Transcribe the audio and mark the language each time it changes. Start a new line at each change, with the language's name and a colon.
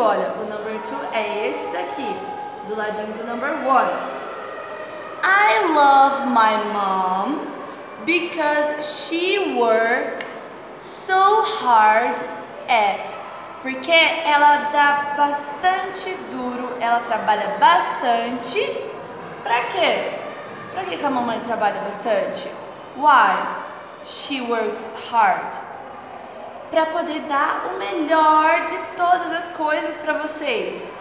Portuguese: Olha, o number two é este daqui, do ladinho do number one.
English: I love my mom because she works so hard at.
Portuguese: Porque ela dá bastante duro, ela trabalha bastante. Pra quê? Pra que a mamãe trabalha bastante?
English: Why? She works hard.
Portuguese: Pra poder dar o melhor de todas as coisas pra vocês.